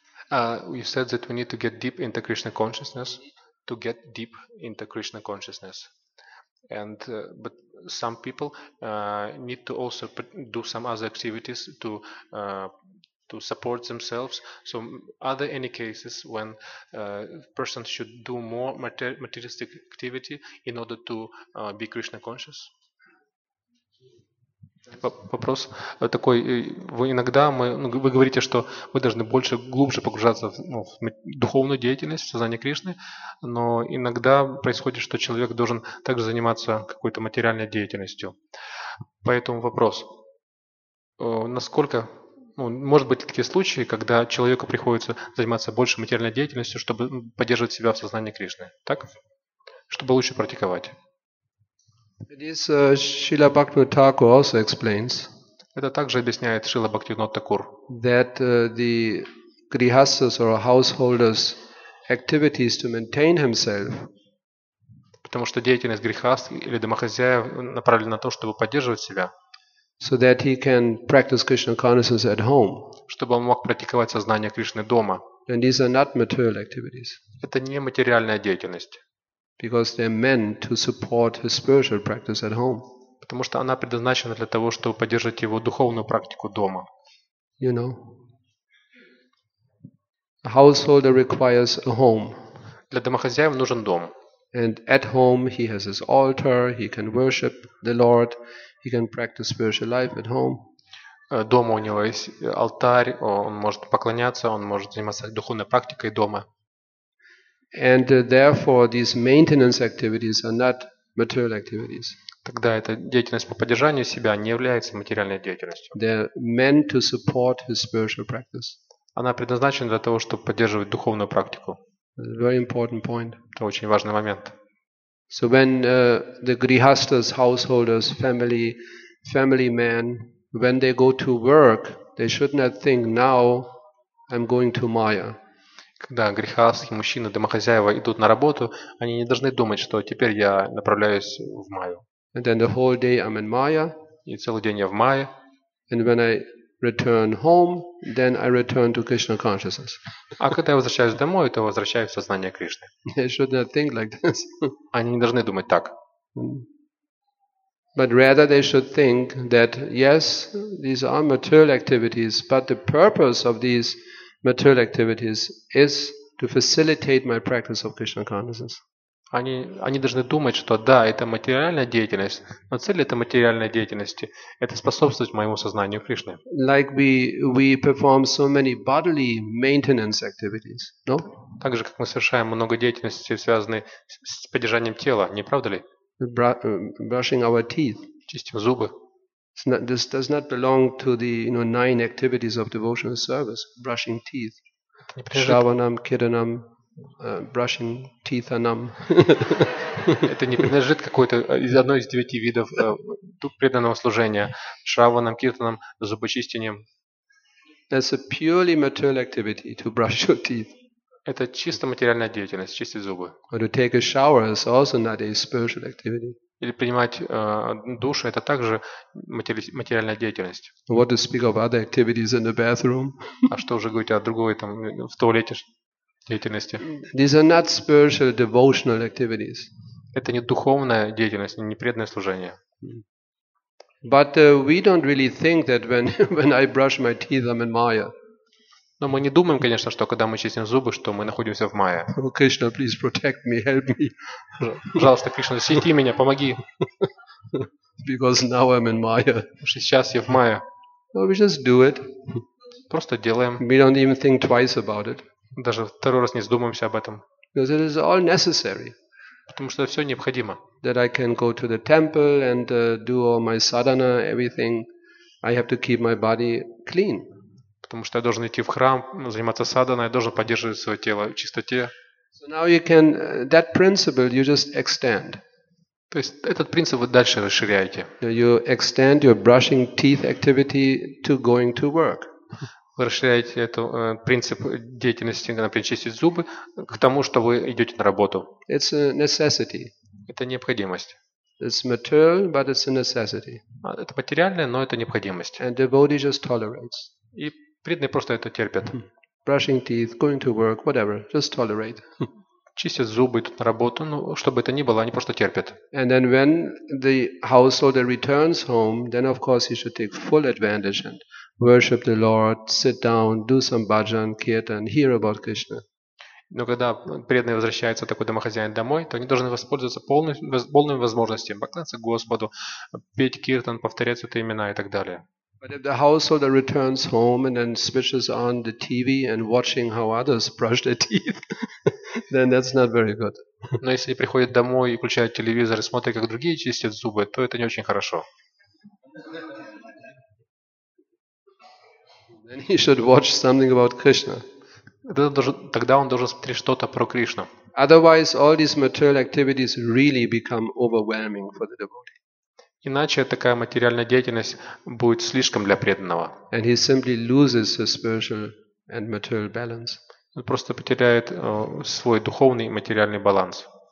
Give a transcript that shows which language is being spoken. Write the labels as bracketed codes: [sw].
[en] You said that we need to get deep into Krishna consciousness. To get deep into Krishna consciousness, and but some people need to also do some other activities to support themselves. So are there any cases when persons should do more materialistic activity in order to be Krishna conscious? [ru] Вопрос такой: вы иногда вы говорите, что вы должны больше, глубже погружаться в духовную деятельность, в сознание Кришны, но иногда происходит, что человек должен также заниматься какой-то материальной деятельностью. Поэтому вопрос: насколько, может быть, такие случаи, когда человеку приходится заниматься больше материальной деятельностью, чтобы поддерживать себя в сознании Кришны, так? Чтобы лучше практиковать? [en] This Srila Bhaktivinoda Thakur also explains. [ru] Это также объясняет Шрила Бхактивинода Такур. [en] That the grihasthas or householders' activities to maintain himself. [ru] Потому что деятельность грихаст или домохозяев направлена на то, чтобы поддерживать себя. [en] So that he can practice Krishna consciousness at home. [ru] Чтобы он мог практиковать сознание Кришны дома. [en] And these are not material activities. [ru] Это не материальная деятельность. [en] Because they're meant to support his spiritual practice at home. [ru] Потому что она предназначена для того, чтобы поддерживать его духовную практику дома. [en] You know, a householder requires a home. [ru] Для домохозяев нужен дом. [en] And at home he has his altar, he can worship the Lord, he can practice spiritual life at home. [ru] Дома у него есть алтарь, он может поклоняться, он может заниматься духовной практикой дома. [en] And therefore, these maintenance activities are not material activities. [ru] Тогда эта деятельность по поддержанию себя не является материальной деятельностью. [en] They're meant to support his spiritual practice. [ru] Она предназначена для того, чтобы поддерживать духовную практику. [en] Very important point. [ru] Это очень важный момент. [en] So when the grihasthas, householders, family men, when they go to work, they should not think, now I'm going to Maya. [ru] Когда грихасхи, мужчины, домохозяева идут на работу, они не должны думать, что теперь я направляюсь в Майю. [en] And then the whole day I'm in Maya. [ru] И целый день я в Майе. [en] And when I return home, then I return to Krishna consciousness. [ru] А когда я возвращаюсь домой, то возвращаюсь в сознание Кришны. [en] They should not think like this. [ru] Они не должны думать так. [en] But rather they should think that yes, these are material activities, but the purpose of these material activities is to facilitate my practice of Krishna consciousness. [ru] Они должны думать, что да, это материальная деятельность, но цель этой материальной деятельности – это способствовать моему сознанию Кришны. [en] Like we perform so many bodily maintenance activities, no? [ru] Так же, как мы совершаем много деятельности, связанной с поддержанием тела, не правда ли? [en] Brushing our teeth. [ru] Чистим зубы. [en] This does not belong to the, you know, nine activities of devotional service. Brushing teeth. Shravanam, kiranam. Brushing teeth anam. [ru] Это не принадлежит какой-то из одной из девяти видов преданного служения. Шраванам, киртанам, зубочистением. [en] That's a purely material activity to brush your teeth. [ru] Это чисто материальная деятельность, чистить зубы. [en] Or to take a shower is also not a spiritual activity. [ru] Или принимать душ, это также материальная деятельность. [en] What to speak of other activities in the bathroom? [ru] А что уже говорить о другой там в туалете? Деятельности. [en] These are not spiritual devotional activities. [ru] Это не духовная деятельность, не преданное служение. [en] But we don't really think that when I brush my teeth, I'm in Maya. [ru] Но мы не думаем, конечно, что когда мы чистим зубы, что мы находимся в Майе. [en] Oh, Krishna, please protect me, help me. [ru] Пожалуйста, Кришна, защити меня, помоги. [en] Because now I'm in Maya. [ru] Сейчас я в Майе. [en] Well, we just do it. [ru] Просто делаем. [en] We don't even think twice about it. [ru] Даже второй раз не задумаемся об этом. [en] Because it is all necessary. Потому что все необходимо. That I can go to the temple and do all my sadhana, everything. I have to keep my body clean. [ru] Потому что я должен идти в храм, заниматься садханой, я должен поддерживать свое тело в чистоте. [en] So now you can, that principle you just extend. [ru] То есть этот принцип вы дальше расширяете. [en] You extend your brushing teeth activity to going to work. [ru] Вы расширяете эту, принцип деятельности, например, чистить зубы, к тому, что вы идете на работу. [en] It's a necessity. [ru] Это необходимость. [en] It's material, but it's a necessity. [ru] Это материальное, но это необходимость. [en] And devotee just tolerates. [ru] И преданные просто это терпят. [en] Brushing teeth, going to work, whatever, just tolerate. [ru] Чистят зубы, идут на работу, ну, что бы это ни было, они просто терпят. [en] And then when the householder returns home, then of course he should take full advantage and worship the Lord, sit down, do some bhajan, kirtan, hear about Krishna. [ru] Но когда преданный возвращается, такой домохозяин, домой, то они должны воспользоваться полными возможностями, поклоняться Господу, петь киртан, повторять святые имена и так далее. [en] But if the householder returns home and then switches on the TV and watching how others brush their teeth, then that's not very good. [ru] Но если приходит домой и включает телевизор и смотрит, как другие чистят зубы, то это не очень хорошо. [en] Then he should watch something about Krishna. [ru] Тогда он должен смотреть что-то про Кришну. [en] Otherwise, all these material activities really become overwhelming for the devotee. [ru] Иначе такая материальная деятельность будет слишком для преданного. [en] And he simply loses his spiritual and material balance. [ru] Он просто потеряет свой духовный и материальный баланс.